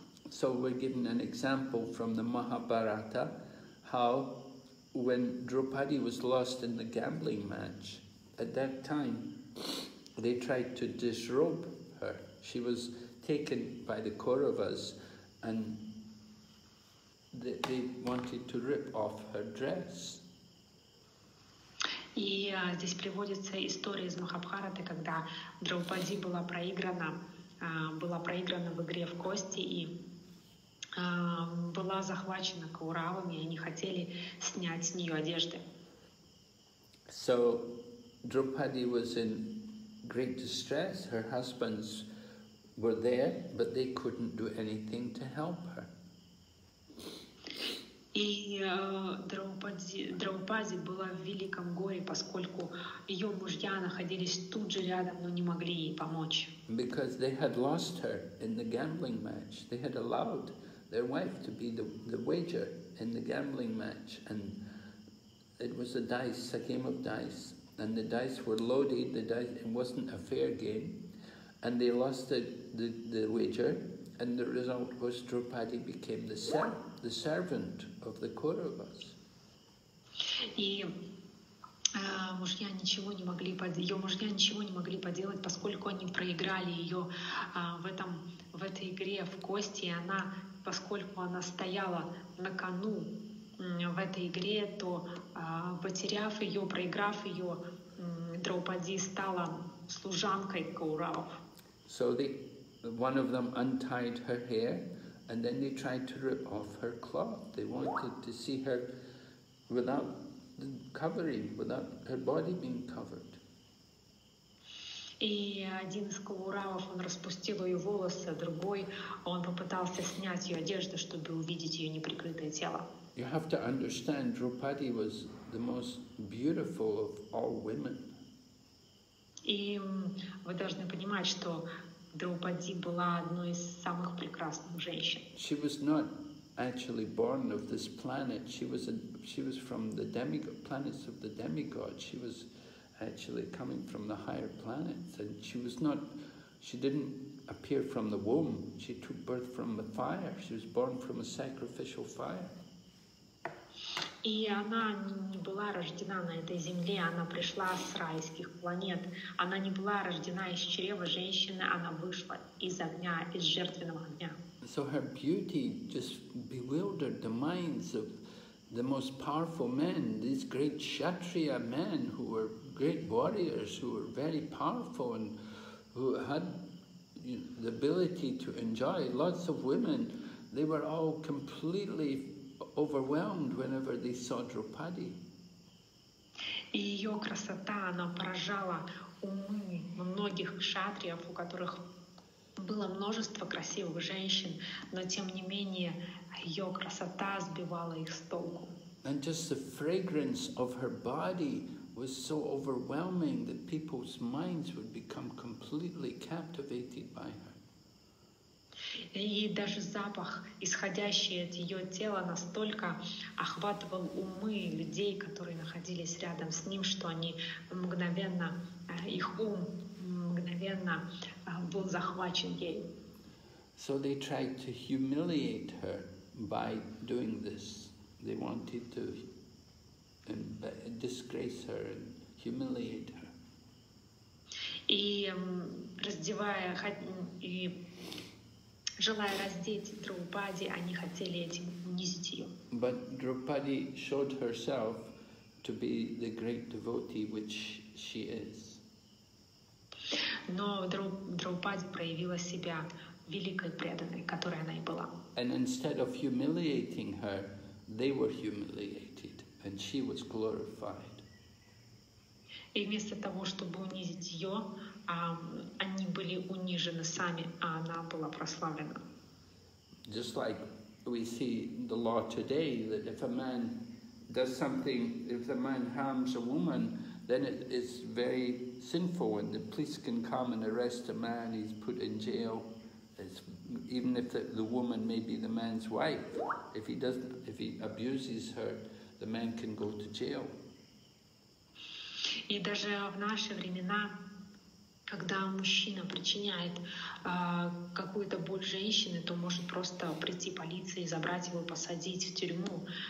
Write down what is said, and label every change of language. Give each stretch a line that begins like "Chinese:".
English: So we're given an example from the Mahabharata, how when Draupadi was lost in the gambling match, at that time, they tried to disrobe her. She was taken by the Kauravas, and they wanted to rip off her dress.
Russian: И здесь приводится история из Махабхараты, когда Драупади была проиграна, в игре в кости и была захвачена Кауравами, и они хотели снять с нее одежды.
English: So Draupadi was in great distress. Her husbands were there, but they couldn't do anything to help her.
Russian: И Драупади была в великом горе, поскольку ее мужья находились тут же рядом, но не могли ей помочь.
English: Because they had lost her in the gambling match. They had allowed their wife to be the wager in the gambling match, and it was a game of dice. And the dice were loaded, it wasn't a fair game, and they lost the wager, and the result was Draupadi became the servant of the Kauravas.
Russian: И мужья ничего не могли поделать, поскольку они проиграли ее в этой игре в кости, и она, поскольку она стояла на кону в этой игре, то потеряв ее, проиграв ее, Драупади стала служанкой Кауравов.
English: So one of them untied her hair, and then they tried to rip off her cloth. They wanted to see her without the covering, without her body being covered.
Russian: И один из Кауравов, он распустил ее волосы, другой, он попытался снять ее одежду, чтобы увидеть ее неприкрытое тело.
English: You have to understand, Draupadi was the most beautiful of all women.
Russian: И вы должны понимать, что Драупади была одной из самых прекрасных женщин.
English: She was not actually born of this planet. She was from the demigod, planets of the demigods. She was actually coming from the higher planets, and she didn't appear from the womb. She took birth from the fire. She was born from a sacrificial fire.
Russian: И она не была рождена на этой земле, она пришла с райских планет. Она не была рождена из чрева женщины, она вышла из огня, из жертвенного огня.
English: So her beauty just bewildered the minds of the most powerful men, these great Kshatriya men who were great warriors, who were very powerful and who had the ability to enjoy lots of women. They were all completely overwhelmed whenever they saw Draupadi.
Russian: И ее красота, она поражала умы многих кшатриев, у которых было множество красивых женщин, но тем не менее ее красота сбивала их с толку.
English: And just the fragrance of her body was so overwhelming that people's minds would become completely captivated by her.
Russian: И даже запах, исходящий от ее тела, настолько охватывал умы людей, которые находились рядом с ним, что они мгновенно, их ум мгновенно был захвачен ей.
English: So they tried to humiliate her by doing this. They wanted to disgrace her and humiliate her.
Russian: И раздевая, и желая раздеть Драупади, они хотели этим унизить ее.
English: But Draupadi showed herself to be the great devotee, which she is.
Russian: Но Драупади проявила себя великой преданной, которой она и была.
English: And instead of humiliating her, they were humiliated, and she was glorified.
Russian: И вместо того, чтобы унизить ее, они были унижены сами, а она была прославлена.
English: Just like we see the law today, that if a man does something, if a man harms a woman, then it is very sinful, and the police can come and arrest a man, he's put in jail. It's, even if the woman may be the man's wife, if he abuses her, the man can go to jail.
Russian: И даже в наши времена, когда мужчина причиняет какую-то боль женщине, то может просто прийти полиция и забрать его, посадить в тюрьму.